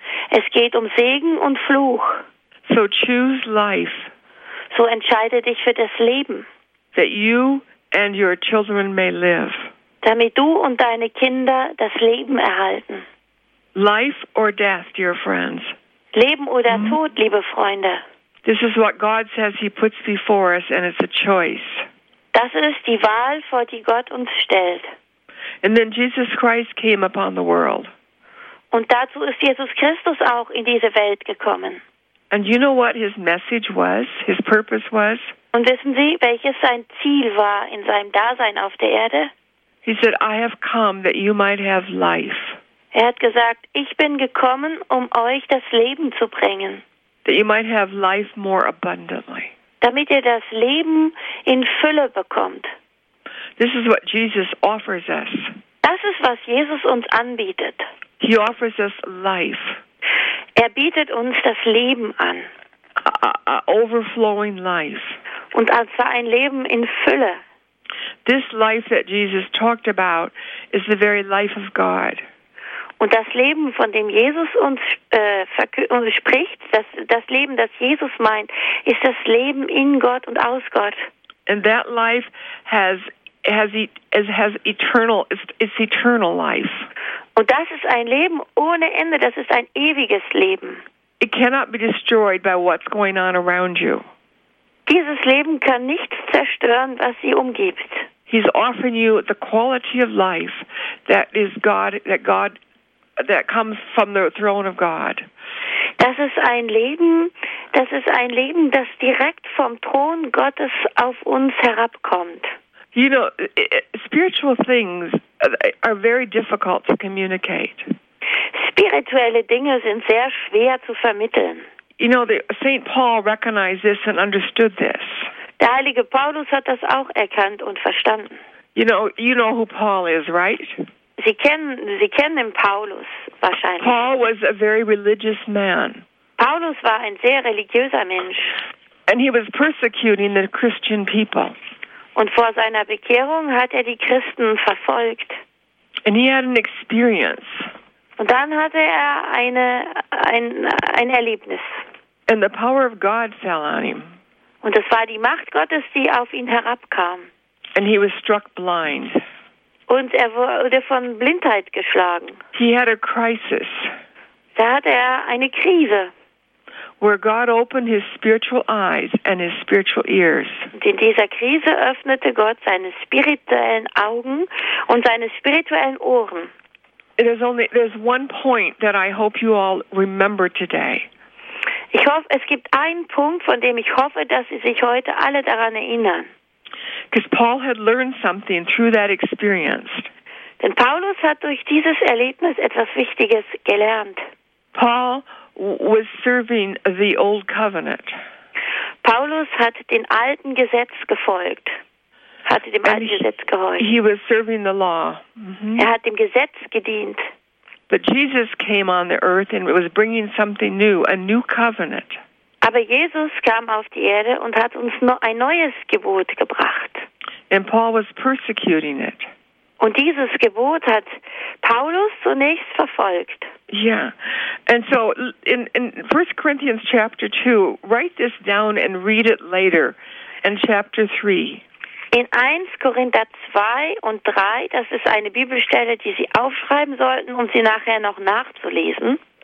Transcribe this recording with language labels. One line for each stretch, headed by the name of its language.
German: Es geht um Segen und Fluch.
English: So choose life.
German: So entscheide dich für das Leben.
English: That you and your children may live.
German: Damit du und deine Kinder das Leben erhalten.
English: Life or death, dear friends.
German: Leben oder Tod, liebe Freunde.
English: This is what God says he puts before us, and it's a choice.
German: Das ist die Wahl, vor die Gott uns stellt.
English: And then Jesus Christ came upon the world.
German: Und dazu ist Jesus Christus auch in diese Welt gekommen.
English: And you know what his message was, his purpose was?
German: Und wissen Sie, welches sein Ziel war in seinem Dasein auf der Erde?
English: He said, I have come that you might have life.
German: Er hat gesagt, ich bin gekommen, um euch das Leben zu bringen.
English: That you might have life more abundantly.
German: Damit ihr das Leben in Fülle bekommt.
English: This is what Jesus offers us.
German: Das ist, was Jesus uns anbietet.
English: He offers us life.
German: Er bietet uns das Leben an.
English: A overflowing life.
German: Und also ein Leben in Fülle.
English: This life that Jesus talked about is the very life of God.
German: Und das Leben, von dem Jesus uns spricht, das Leben, das Jesus meint, ist das Leben in Gott und aus Gott.
English: And that life has eternal, it's eternal life.
German: Und das ist ein Leben ohne Ende, das ist ein ewiges Leben.
English: It cannot be destroyed by what's going on around you.
German: Dieses Leben kann nichts zerstören, was sie umgibt.
English: He's offering you the quality of life that is God, that God, that comes from the throne of God.
German: Das ist ein Leben, das direkt vom Thron Gottes auf uns herabkommt.
English: You know, spiritual things are very difficult to communicate.
German: Spirituelle Dinge sind sehr schwer zu vermitteln.
English: You know, St. Paul recognized this and understood this.
German: Der heilige Paulus hat das auch erkannt und verstanden.
English: You know who Paul is, right?
German: Sie kennen den Paulus wahrscheinlich.
English: Paul was a very religious man.
German: Paulus war ein sehr religiöser Mensch.
English: And he was persecuting the Christian people.
German: Und vor seiner Bekehrung hat er die Christen verfolgt.
English: And he had an experience.
German: Und dann hatte er ein Erlebnis.
English: And the power of God fell on him.
German: Und es war die Macht Gottes, die auf ihn herabkam.
English: And he was struck blind.
German: Und er wurde von Blindheit geschlagen.
English: He had a crisis.
German: Da hatte er eine Krise.
English: Where God opened his spiritual eyes and his spiritual ears.
German: Und in dieser Krise öffnete Gott seine spirituellen Augen und seine spirituellen Ohren.
English: There's one point that I hope you all remember today.
German: Ich hoffe, es gibt einen Punkt, von dem ich hoffe, dass Sie sich heute alle daran erinnern.
English: Because Paul had learned something through that experience.
German: Denn Paulus hat durch dieses Erlebnis etwas Wichtiges gelernt.
English: Paul was serving the old covenant.
German: Paulus hat den alten Gesetz gefolgt. Hatte dem alten Gesetz gehorcht.
English: He was serving the law.
German: Mm-hmm. Er hat dem Gesetz gedient.
English: But Jesus came on the earth and was bringing something new, a new covenant.
German: Aber Jesus kam auf die Erde und hat uns ein neues Gebot gebracht.
English: And Paul was persecuting it.
German: Und dieses Gebot hat Paulus zunächst verfolgt. Yeah.
English: And so in 1 Corinthians chapter 2, write this down and read it later in chapter 3.
German: In 1 Korinther 2 und 3, das ist eine Bibelstelle, die Sie aufschreiben sollten, um sie nachher noch nachzulesen.